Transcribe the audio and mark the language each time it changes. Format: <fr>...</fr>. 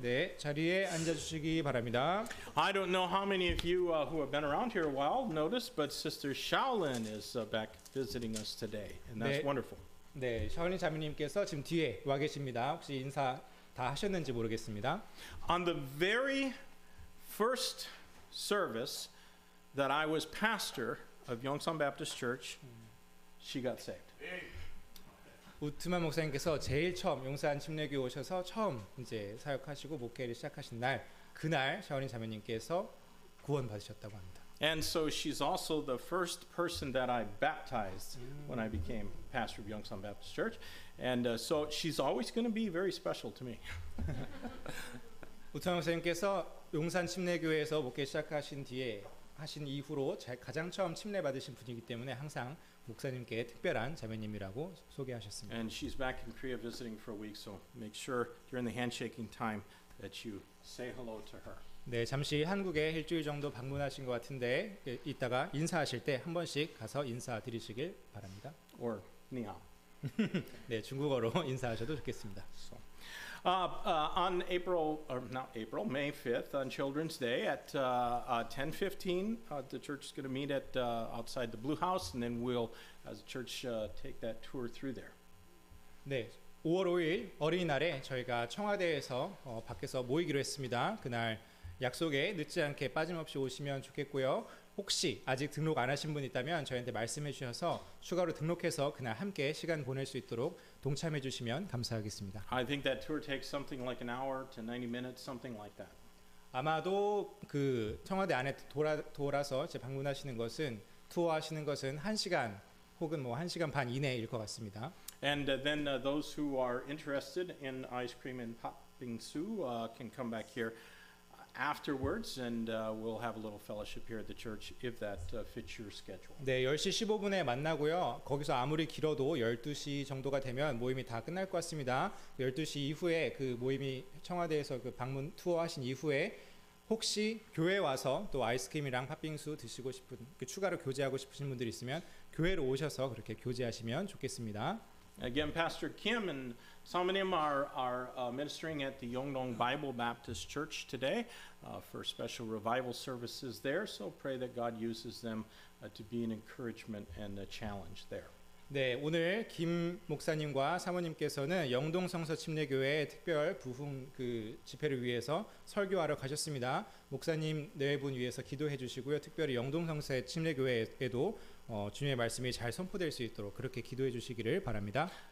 <ko>네, 자리에 앉아 주시기 바랍니다.</ko> <en>I don't know how many of you who have been around here a while noticed, but Sister Shaolin is back visiting us today, and that's 네, wonderful.</en> <ko>네, 샤올린 자매님께서 지금 뒤에 와 계십니다. 혹시 인사 다 하셨는지 모르겠습니다.</ko> <en>On the very first service that I was pastor of Yongsan Baptist Church, she got saved.</en> <ko>우트만 목사님께서 제일 처음 용산 침례교회 오셔서 처음 이제 사역하시고 목회를 시작하신 날, 그날 샤오린 자매님께서 구원 받으셨다고 합니다.</ko> <en>And so she's also the first person that I baptized when I became pastor of Yongsan Baptist Church. And so she's always going to be very special to me.</en> <ko>우트만 목사님께서 용산 침례교회에서 목회 시작하신 뒤에 하신 이후로 가장 처음 침례 받으신 분이기 때문에 항상 목사님께 특별한 자매님이라고 소개하셨습니다.</ko> <en>And she's back in Korea visiting for a week, so make sure during the handshaking time that you say hello to her.</en> <ko>네, 잠시 한국에 일주일 정도 방문하신 것 같은데 이따가 인사하실 때 한 번씩 가서 인사드리시길 바랍니다.</ko> <en>Or 니하오.</en> <ko>네, 중국어로 인사하셔도 좋겠습니다.</ko> <en>So, On April, or not April, May 5th, on Children's Day at 10:15, the church is going to meet at outside the Blue House, and then we'll, as a church, take that tour through there.</en> <ko>네, 5월 5일 어린이날에 저희가 청와대에서 밖에서 모이기로 했습니다. 그날 약속에 늦지 않게 빠짐없이 오시면 좋겠고요. 혹시 아직 등록 안 하신 분 있다면 저희한테 말씀해 주셔서 추가로 등록해서 그날 함께 시간 보낼 수 있도록 동참해 주시면 감사하겠습니다.</ko> <en>I think that tour takes something like an hour to 90 minutes, something like that.</en> <ko>아마도 그 청와대 안에 돌아서 이제 방문하시는 것은 투어하시는 것은 1시간 혹은 뭐 1시간 반 이내일 것 같습니다.</ko> <en>And then those who are interested in ice cream and popbingsu can come back here afterwards, and we'll have a little fellowship here at the church if that fits your schedule.</en> <ko>네, 10시 15분에 만나고요. 거기서 아무리 길어도 12시 정도가 되면 모임이 다 끝날 것 같습니다. 12시 이후에 그 모임이 청와대에서 그 방문 투어 하신 이후에 혹시 교회 와서 또 아이스크림이랑 팥빙수 드시고 싶은 그 추가로 교제하고 싶으신 분들 있으면 교회로 오셔서 그렇게 교제하시면 좋겠습니다.</ko> <en>Again, Pastor Kim and Somanim are ministering at the Yongdong Bible Baptist Church today for special revival services there. So pray that God uses them to be an encouragement and a challenge there.</en> <ko>네, 오늘 김 목사님과 사모님께서는 영동 성서 침례교회 특별 부흥 그 집회를 위해서 설교하러 가셨습니다. 목사님 네 분 위해서 기도해 주시고요. 특별히 영동 성서 침례교회에도 주님의 말씀이 잘 선포될 수 있도록 그렇게 기도해 주시기를 바랍니다.</ko>